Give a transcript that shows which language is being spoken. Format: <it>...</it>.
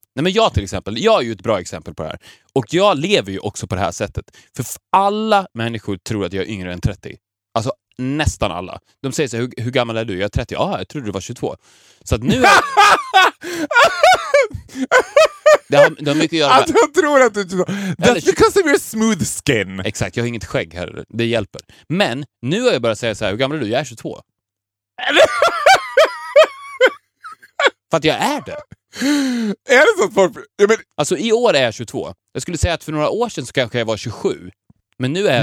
<sv>Nej, men jag till exempel. Jag är ju ett bra exempel på det här. Och jag lever ju också på det här sättet. För alla människor tror att jag är yngre än 30. Alltså nästan alla. De säger så här, hur gammal är du? Jag är 30. Ja, jag trodde du var 22. Så att nu... Det har mycket att göra med... Att jag tror att du...</sv> <en>That's because of your smooth skin.</en> <sv>Exakt, jag har inget skägg här. Det hjälper. Men nu har jag börjat säga så här, hur gammal är du? Jag är 22. För att jag är det. Är det så att folk... Ja, men... Alltså i år är jag 22. Jag skulle säga att för några år sedan så kanske jag var 27. Men nu är jag 22.</sv>